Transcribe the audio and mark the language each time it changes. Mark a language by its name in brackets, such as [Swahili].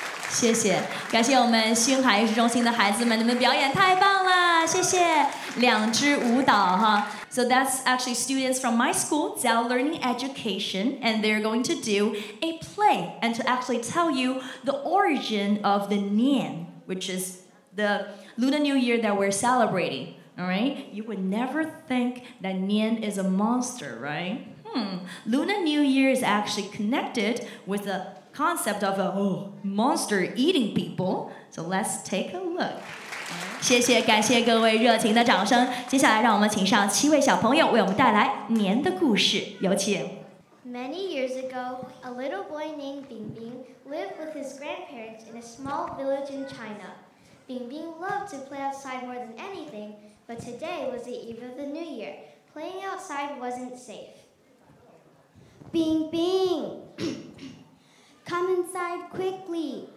[Chinese] 谢谢，感谢我们星海艺术中心的孩子们，你们表演太棒了，谢谢两支舞蹈哈。 [English] So that's actually students from my school, Zao Learning Education, and they're going to do a play and to actually tell you the origin of the Nian, which is the Lunar New Year that we're celebrating, all right? You would never think that Nian is a monster, right? Lunar New Year is actually connected with the concept of a monster eating people. So let's take a look. [Chinese] 谢谢，感谢各位热情的掌声。接下来让我们请上七位小朋友为我们带来年的故事，有请。 [English] Many years ago, a little boy named Bing Bing lived with his grandparents in a small village in China. Bing Bing loved to play outside more than anything, but today was the eve of the New Year. Playing outside wasn't safe. Bing Bing! Come inside quickly.